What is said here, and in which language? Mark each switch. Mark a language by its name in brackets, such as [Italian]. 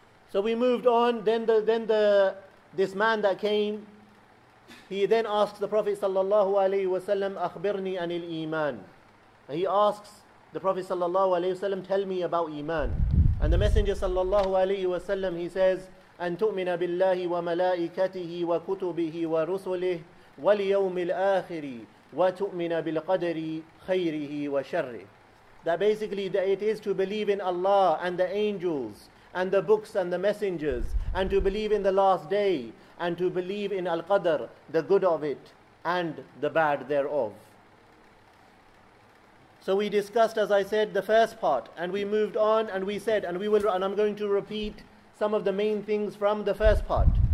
[English] So we moved on. Then this man that came, he then asks the Prophet sallallahu alayhi wasallam, [Arabic] أخبرني عن الإيمان. [English] He asks the Prophet sallallahu alayhi wasallam, tell me about Iman. And the Messenger sallallahu alayhi wasallam, he says, [Arabic] أن تؤمن بالله وملائكته وكتبه ورسله واليوم الآخر وتؤمن بالقدر خيره وشره. [English] That basically that it is to believe in Allah and the angels and the books and the messengers, and to believe in the last day, and to believe in Al-Qadr, the good of it and the bad thereof. So we discussed, as I said, the first part, and we moved on, and we said, and I'm going to repeat some of the main things from the first part.